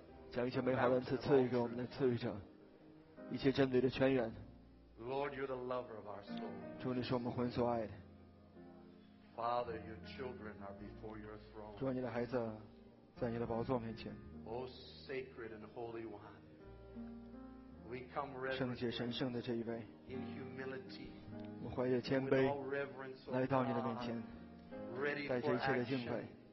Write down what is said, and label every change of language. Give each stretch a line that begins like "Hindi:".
Chinese: 将一切美好的恩赐赐予给我们的赐予者，一切真理的泉源。
English: Lord, you're the lover of our soul.
Chinese: 主，你是我们魂所爱的。
English: Father, your children are before your throne.
Chinese: 主，你的孩子在你的宝座面前。
English: Oh, sacred and holy one, we come reverently.
Chinese: 圣洁神圣的这一位。
English: In humility,
Chinese: 我们怀着谦卑来到你的面前，带着一切的敬佩。